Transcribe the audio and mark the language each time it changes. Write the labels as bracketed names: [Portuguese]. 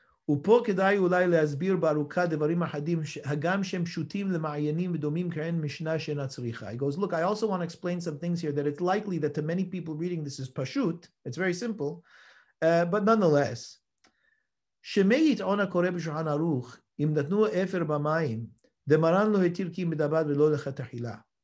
[Hebrew] ופה כדאי אולי להסביר בארוכה דברים אחדים, הגם שהם פשוטים למעיינים ודומים כאין משנה שאינה צריכה. [English] He goes, look, I also want to explain some things here that it's likely that to many people reading this is פשוט, it's very simple, but nonetheless, [Hebrew] שמי יתעון הקורא בשולחן ערוך, אם נתנו אפר במים, דמרן לא התיר כי מדבר ולא לכתחילה.